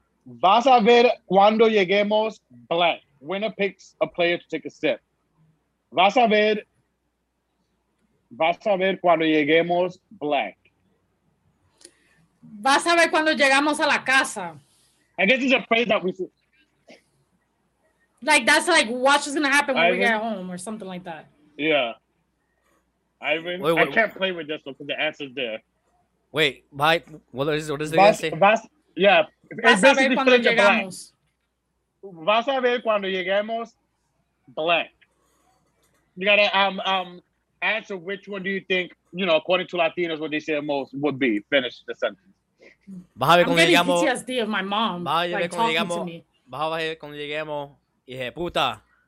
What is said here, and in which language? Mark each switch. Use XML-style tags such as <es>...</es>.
<es>Vas a ver cuando lleguemos blank.</es> <en>Winner picks a player to take a sip.</en> <es>Vas a ver cuando lleguemos blank. Vas a ver cuando llegamos a la casa.</es> <en>I guess it's a phrase that we see. Like, that's like, watch what's going to happen when we get home or something like that. Yeah. Wait, I can't play with this one because the answer's there. Wait, what is it going to say?</en> <es>Vas a ver cuando llegamos. Vas a ver cuando lleguemos blank.</es> <en>You got to answer which one do you think, you know, according to Latinos, what they say the most would be. Finish the sentence.</en> <es>Vas a ver cuando llegamos.</es> <en>I'm getting PTSD of my mom, like, talking to me.</en> <es>Vas a ver cuando lleguemos, hija de puta.</es>